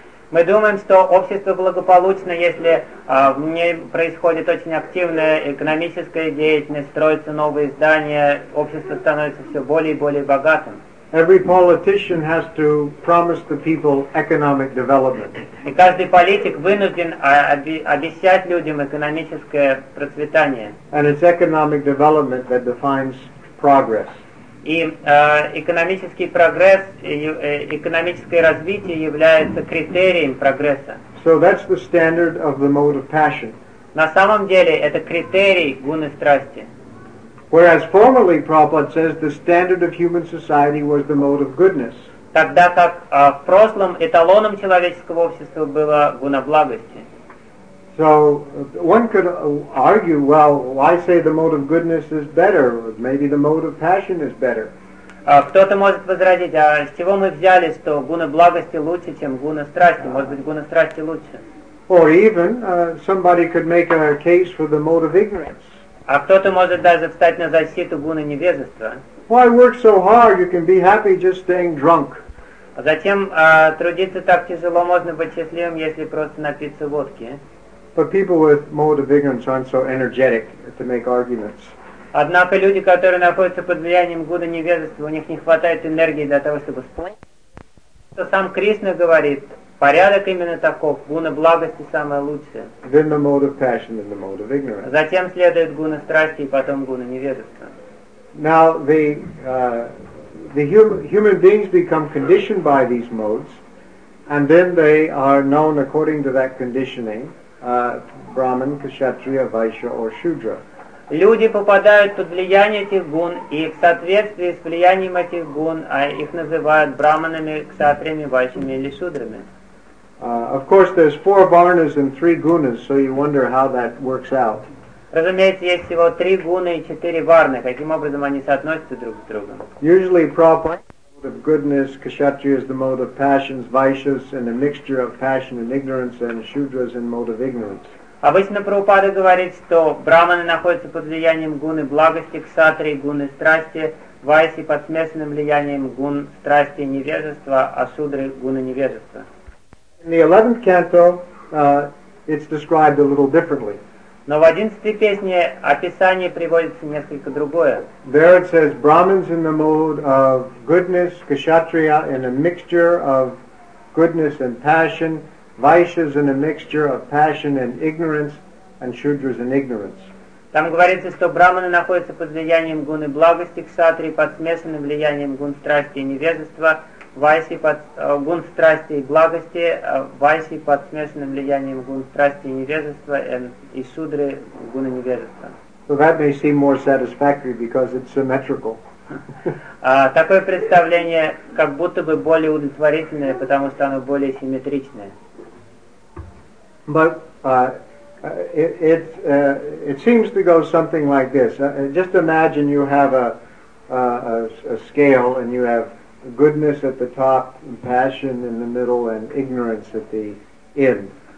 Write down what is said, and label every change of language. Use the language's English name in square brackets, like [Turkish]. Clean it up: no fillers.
[Russian] Мы думаем, что общество благополучно, если в нем происходит очень активная экономическая деятельность, строятся новые здания, общество становится все более и более богатым. [English] Every politician has to promise the people economic development. [Russian] И каждый политик вынужден обещать людям экономическое процветание. [English] And it's economic development that defines progress. [Russian] И экономический прогресс, экономическое развитие является критерием прогресса. [English] So that's the standard of the mode of passion. [Russian] На самом деле это критерий гуны страсти. [English] Whereas formerly Prabhupada says the standard of human society was the mode of goodness. [Russian] Тогда как в прошлом эталоном человеческого общества была гуна благости. [English] So one could argue, well, why say the mode of goodness is better? Maybe the mode of passion is better. [Russian] Кто-то может возразить, а с чего мы взяли, что гуна благости лучше, чем гуна страсти? Может быть, гуна страсти лучше? [English] Or even somebody could make a case for the mode of ignorance. [Russian] А кто-то может даже встать на защиту гуны невежества. [English] Why work so hard? You can be happy just staying drunk. [Russian] А затем трудиться так тяжело можно быть счастливым, если просто напиться водки. [English] But people with mode of ignorance aren't so energetic to make arguments. [Russian] Однако люди, которые находятся под влиянием гуны невежества, у них не хватает энергии для того, чтобы спорить. Сам Кришна говорит, порядок именно таков, гуна благости самая лучшая. [English] Then the mode of passion and the mode of ignorance. [Russian] Затем следует гуна страсти и потом гуна невежества. [English] Now the human beings become conditioned by these modes, and then they are known according to that conditioning, Brahman, Kshatriya, Vaishya or Shudra. [Russian] Люди попадают под влияние этих гун, и в соответствии с влиянием этих гун, их называют браманами, кшатриями, вайшьями или шудрами. [English] Of course, there's four varnas and three gunas, so you wonder how that works out. [Russian] Разумеется, есть всего три гуны и четыре варны. Каким образом они соотносятся друг с другом? [English] Usually, Prabhupada is the mode of goodness, Kshatriya is the mode of passions, vaishyas and a mixture of passion and ignorance, and shudras in mode of ignorance. [Russian] Обычно Прабхупада говорит, что браманы находятся под влиянием гуны благости, кшатри, гуны страсти, вайси под смешанным влиянием гун страсти и невежества, а шудры гуны невежества. [English] In the 11th canto, it's described a little differently. [Russian] Но в 11-й песне описание приводится несколько другое. [English] There it says, Brahmins in the mode of goodness, kshatriya, in a mixture of goodness and passion, Vaishyas in a mixture of passion and ignorance, and Shudras in ignorance. [Russian] Там говорится, что браманы находятся под влиянием гуны благости, кшатри, под смешанным влиянием гун страсти и невежества, вайси под гун страсти и благости, вайси под смешанным влиянием гун страсти и невежества, и шудры гуны невежества. [English] So that may seem more satisfactory because it's symmetrical. [Russian] Такое представление как будто бы более удовлетворительное, потому что оно более симметричное. [English] But it seems to go something like this. Just imagine you have a scale and you have goodness at the top, and passion in the middle, and ignorance at the end.